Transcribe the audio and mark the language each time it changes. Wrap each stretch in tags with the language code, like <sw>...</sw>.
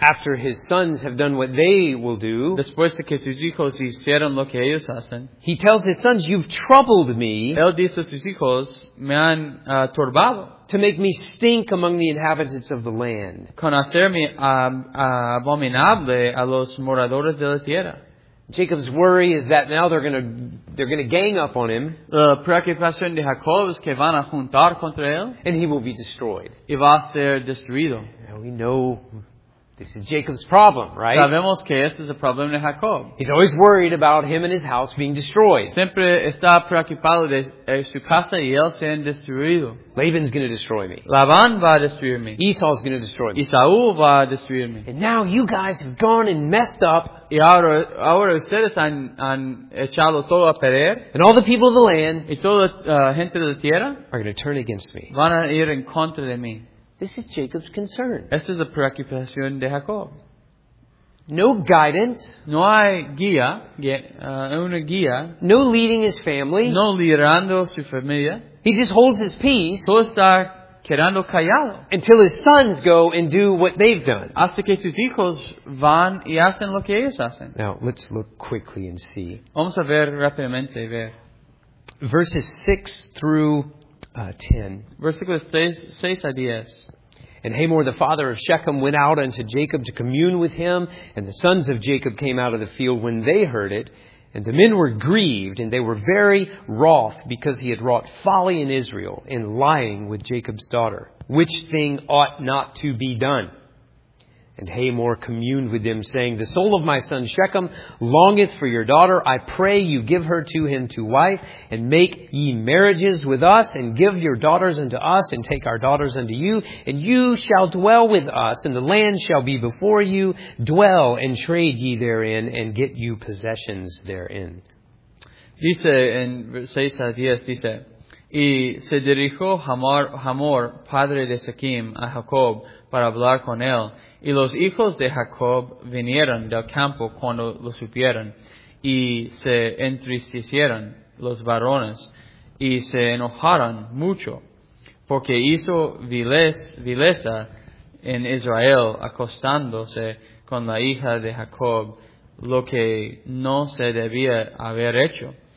<en>After his sons have done what they will do.</en> <es>Después de que sus hijos hicieron lo que ellos hacen.</es> <en>He tells his sons, "You've troubled me."</en> <es>Él dice a sus hijos, "Me han turbado."</es> <en>To make me stink among the inhabitants of the land.</en> <es>Con hacerme abominable a los moradores de la tierra.</es> <en>Jacob's worry is that now they're gonna gang up on him.</en> <es>La preocupación de Jacob es que van a juntar contra él.</es> <en>And he will be destroyed.</en> <es>Y va a ser destruido.</es> <en>And we know this is Jacob's problem, right?</en> <es>Sabemos que este es el problema de Jacob.</es> <en>He's always worried about him and his house being destroyed.</en> <es>Siempre está preocupado de su casa y él siendo destruido.</es> <en>Laban's going to destroy me.</en> <es>Laban va a destruir me.</es> <en>Esau's going to destroy me.</en> <es>Esau va a destruir me.</es> <en>And now you guys have gone and messed up.</en> <es>Y ahora ustedes han echado todo a perder.</es> <en>And all the people of the land.</en> <es>Y toda gente de la tierra.</es> <en>Are going to turn against me.</en> <es>Van a ir en contra de mí.</es> <en>This is Jacob's concern.</en> <es>Esta es la preocupación de Jacob.</es> <en>No guidance.</en> <es>No hay guía. Una guía.</es> <en>No leading his family.</en> <es>No liderando su familia.</es> <en>He just holds his peace.</en> <es>Todo está quedando callado.</es> <en>Until his sons go and do what they've done.</en> <es>Hasta que sus hijos van y hacen lo que ellos hacen.</es> <en>Now, let's look quickly and see.</en> <es>Vamos a ver rápidamente. Ver.</es> <en>Verses 6 through 10.</en> <es>Versículo 6 a 10.</es> <en>And Hamor, the father of Shechem, went out unto Jacob to commune with him. And the sons of Jacob came out of the field when they heard it. And the men were grieved, and they were very wroth, because he had wrought folly in Israel in lying with Jacob's daughter, which thing ought not to be done. And Hamor communed with them, saying, "The soul of my son Shechem longeth for your daughter. I pray you give her to him to wife, and make ye marriages with us, and give your daughters unto us, and take our daughters unto you. And you shall dwell with us, and the land shall be before you. Dwell, and trade ye therein, and get you possessions therein."</en> <es>Dice en 6 a 10, dice, "Y se dirijo Hamor, padre de Shechem, a Jacob, para hablar con él. Y los hijos de Jacob vinieron del campo cuando lo supieron, y se entristecieron los varones, y se enojaron mucho, porque hizo vileza en Israel acostándose con la hija de Jacob, lo que no se debía haber hecho.</es>